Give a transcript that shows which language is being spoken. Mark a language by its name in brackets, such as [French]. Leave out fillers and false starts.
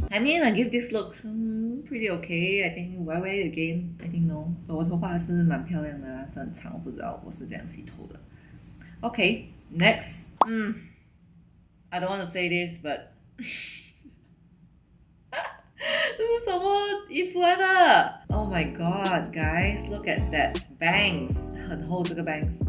[English] I mean, I give this look pretty okay. I think why wear it again? I think no. [Chinese] 我头发是蛮漂亮的，但是很长，不知道我是这样洗头的。 [English] Okay, next. I don't want to say this, but [Chinese] 这是什么衣服来的 [English] ？Oh my god, guys, look at that bangs, [Chinese] 很厚这个 [English] bangs.